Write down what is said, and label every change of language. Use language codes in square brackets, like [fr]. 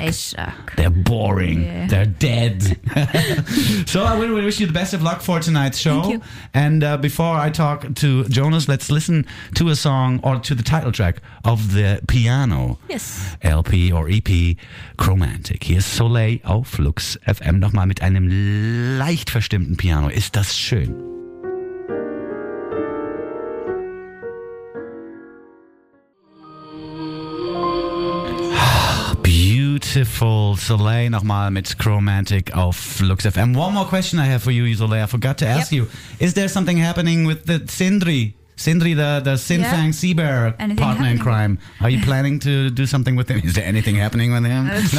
[en] They suck. They're boring. Yeah. They're dead. So I really wish you the best of luck for tonight's show. Thank you. And before I talk to Jonas, let's listen to a song or to the title track of the piano LP or EP Chromantic. [de] Hier ist Soleil auf Lux FM nochmal mit einem leicht verstimmten Piano. Ist das schön? Beautiful Soleil nochmal mit Chromantic auf Lux FM. [en] One more question I have for you, Soleil. I forgot to ask you. Is there something happening with the Sindri? Sindri, the Sinfang Sea Bear partner in crime. Are you planning to do something with him? Is there anything happening with him?